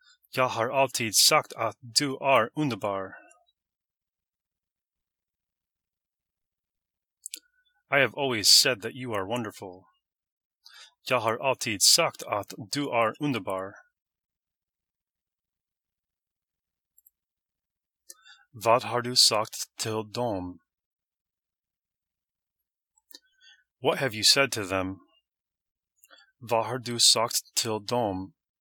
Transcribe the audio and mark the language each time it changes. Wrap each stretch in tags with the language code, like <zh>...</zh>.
<sv>Jag har alltid sagt att du är underbar.</sv> <en>I have always said that you are wonderful.</en> <sv>Jag har alltid sagt att du är underbar. Vad har du sagt till dem?</sv> <en>What have you said to them?</en> <sv>Vad har du sagt till dem?</sv>